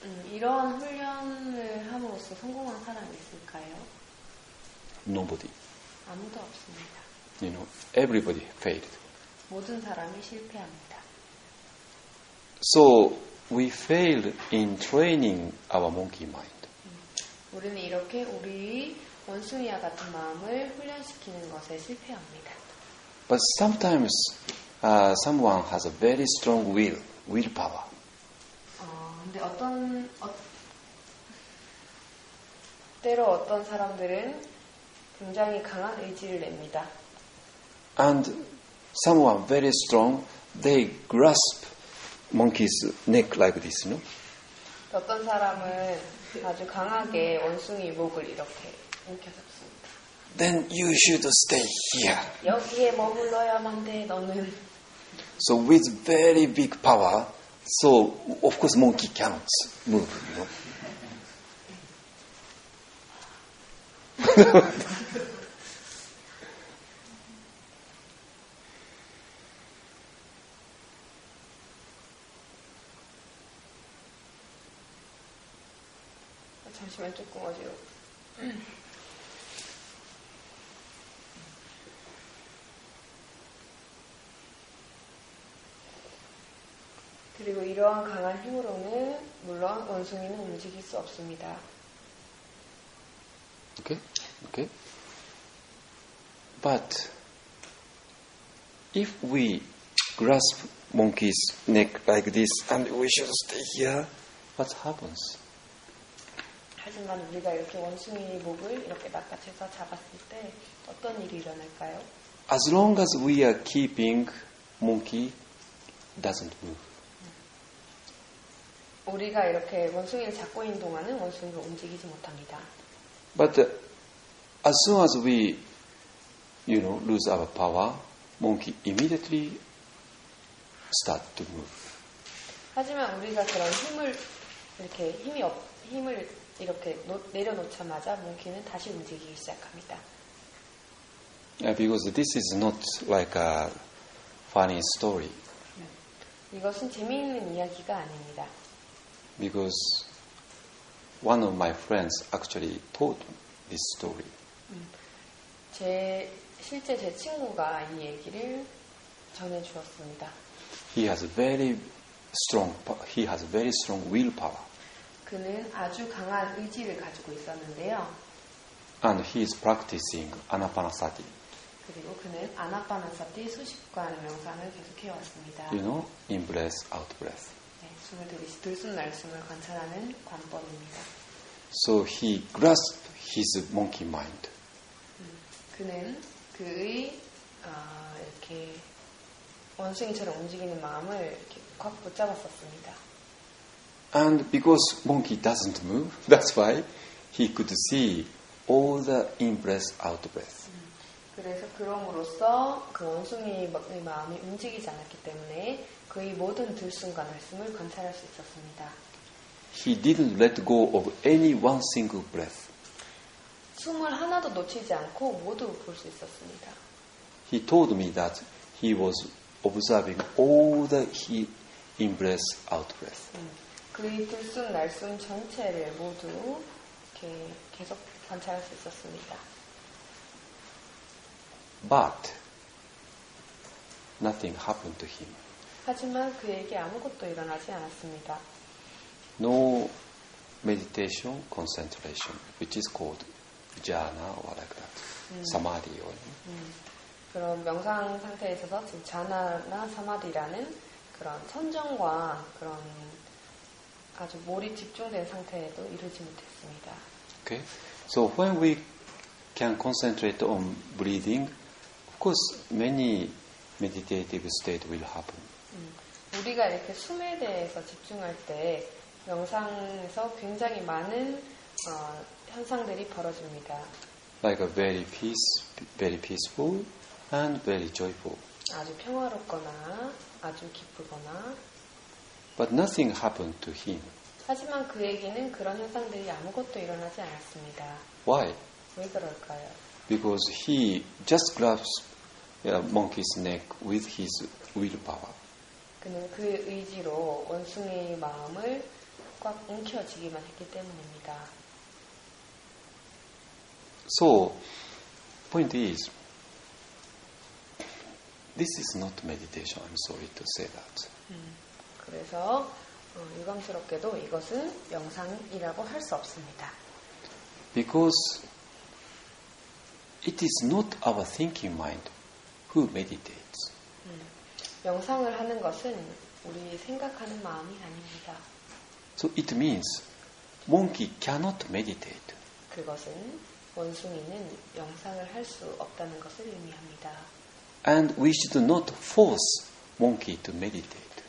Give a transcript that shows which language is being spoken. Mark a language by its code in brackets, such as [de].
[ko] 이러한 훈련을 함으로써 성공한 사람이 있을까요? [en] Nobody. [ko] 아무도 없습니다. [en] You know, everybody failed. [ko] 모든 사람이 실패합니다. [en] So we failed in training our monkey mind. [ko] 우리는 이렇게 우리 원숭이와 같은 마음을 훈련시키는 것에 실패합니다. [en] But sometimes someone has a very strong will, willpower. [ko] 근데 어떤 사람들은 굉장히 강한 의지를 냅니다. [en] And someone very strong, they grasp monkey's neck like this, no? [ko] 어떤 사람은 아주 강하게 원숭이 목을 이렇게 움켜 잡습니다. [en] Then you should stay here. [ko] 여기에 머물러야만 돼, 너는. [en] So with very big power, so of course monkey cannot move. You know? [ko] 잠시만 조금 어지러워. 그리고 이러한 강한 힘으로는 물론 원숭이는 움직일 수 없습니다. 오케이? 오케이? [en] But if we grasp monkey's neck like this and we should stay here, what happens? [ko] 하지만 우리가 이렇게 원숭이 목을 이렇게 낚아채서 잡았을 때 어떤 일이 일어날까요? [en] As long as we are keeping monkey doesn't move. [ko] 우리가 이렇게 원숭이를 잡고 있는 동안은 원숭이가 움직이지 못합니다. [en] But as soon as we, you know, lose our power, monkey immediately start to move. [ko] 하지만 우리가 그런 힘을 이렇게 힘이 없 힘을 이렇게 내려놓자마자 몽키는 다시 움직이기 시작합니다. [en] Yeah, because this is not like a funny story. [ko] 이것은 재미있는 이야기가 아닙니다. [en] Because one of my friends actually told this story. [ko] 제 친구가 이 얘기를 전해 주었습니다. [en] He has very strong willpower. [ko] 그는 아주 강한 의지를 가지고 있었는데요. [en] And he is practicing Anapanasati. [ko] 그리고 그는 아나파나사티 수십관 명상을 계속해 왔습니다. [en] You know, in breath, out breath. [ko] 숨을 들이쉬 들숨 날숨을 관찰하는 관법입니다. [en] So he grasped his monkey mind. [ko] 그는 그의 이렇게 원숭이처럼 움직이는 마음을 이렇게 꽉 붙잡았었습니다. [en] And because monkey doesn't move, that's why he could see all the in-breath, out-breath. [ko] 그래서 그럼으로써 그 원숭이의 마음이 움직이지 않았기 때문에 그의 모든 들숨과 날숨을 관찰할 수 있었습니다. [en] He didn't let go of any one single breath. [ko] 숨을 하나도 놓치지 않고 모두 볼 수 있었습니다. [en] He told me that he was observing all the in-breath, out-breath. [ko] 그의 들숨 날숨 전체를 모두 이렇게 계속 관찰할 수 있었습니다. [en] But nothing happened to him. [ko] 하지만 그에게 아무것도 일어나지 않았습니다. [en] No meditation, concentration, which is called jhana or like that, samadhi. [ko] 그런 명상 상태에서서 지금 jhana나 samadhi라는 그런 선정과 그런 아주 몰입 집중된 상태에도 이르지 못했습니다. [en] Okay. So when we can concentrate on breathing, of course many meditative state will happen. [ko] 우리가 이렇게 숨에 대해서 집중할 때 명상에서 굉장히 많은 현상들이 벌어집니다. [en] Like a very peace, very peaceful and very joyful. [ko] 아주 평화롭거나 아주 기쁘거나. [en] But nothing happened to him. [ko] 하지만 그에게는 그런 현상들이 아무것도 일어나지 않았습니다. [en] Why? [ko] 왜 그럴까요? [en] Because he just grasped a monkey's neck with his willpower. [ko] 그는 그 의지로 원숭이의 마음을 꽉 움켜쥐기만 했기 때문입니다. [en] So, point is, this is not meditation. I'm sorry to say that. [ko] 그래서 유감스럽게도 이것은 명상이라고 할 수 없습니다. [en] Because it is not our thinking mind who meditates. [ko] 명상을 하는 것은 우리 생각하는 마음이 아닙니다. [en] So it means monkey cannot meditate. [ko] 그것은 원숭이는 명상을 할 수 없다는 것을 의미합니다. [en] And we should not force monkey to meditate.